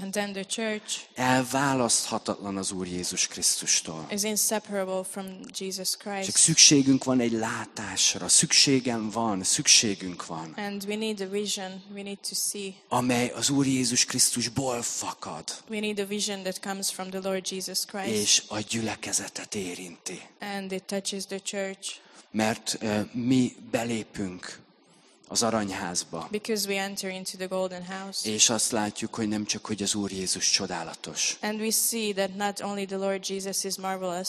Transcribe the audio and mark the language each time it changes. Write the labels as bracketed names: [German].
[English] And then the church. [Hungarian] Elválaszthatatlan az Úr Jézus Krisztustól. [English] Is inseparable from Jesus Christ. [Hungarian] Csak szükségünk van egy látásra. Szükségünk van. [English] And we need a vision. We need to see. [Hungarian] Amely az Úr Jézus Krisztusból fakad. [English] We need a vision that comes from the Lord Jesus Christ. [Hungarian] És a gyülekezetet érinti. [English] And it touches the church. [Hungarian] Mert mi belépünk az aranyházba. [English] Because we enter into the golden house. [Hungarian] És azt látjuk, hogy nem csak hogy az Úr Jézus csodálatos. [English] And we see that not only the Lord Jesus is marvelous.